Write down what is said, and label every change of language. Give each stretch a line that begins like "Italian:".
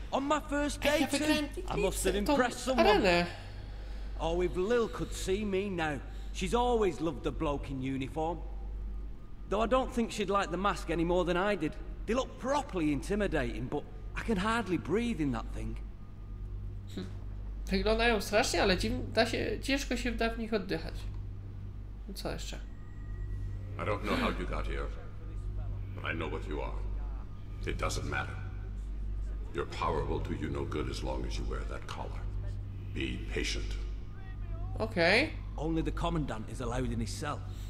English: On my first day too? I must have impressed someone. Oh, if Lil could see me now. She's always loved the bloke in uniform. Though I don't think she'd like the mask any more than I did. They look properly intimidating, but I can hardly breathe in that thing.
Polish: Wyglądają strasznie, ale ciężko się da w nich oddychać. Co jeszcze?
English: I don't know how you got here, but I know what you are. It doesn't matter. Your power will do you no good as long as you wear that collar. Be patient. Okay. Only the commandant is allowed in his cell.